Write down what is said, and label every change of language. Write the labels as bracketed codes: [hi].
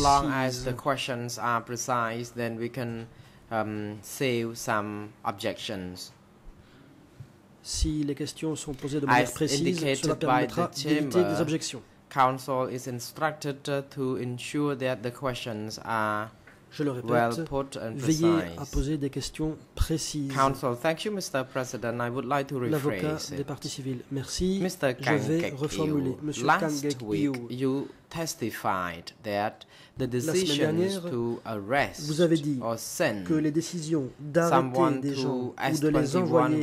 [en] As long as the questions are precise, then we can save some objections. [fr] Si les questions sont posées de manière précise, cela permettra d'éviter des objections. [en] Counsel is instructed to ensure that the questions are [fr] je le répète, [en] well put and precise. [fr] Veillez à poser des questions précises. [en] Counsel, thank you, Mr. President. I would like to rephrase [fr] l'avocat [en] it. [fr] Des parties civiles, merci. [en] Mr. [fr] Je vais reformuler. Monsieur [en] last week, you testified that the decision to arrest [fr] vous avez dit [en] or send [fr] que les décisions d'arrêter des gens ou de les envoyer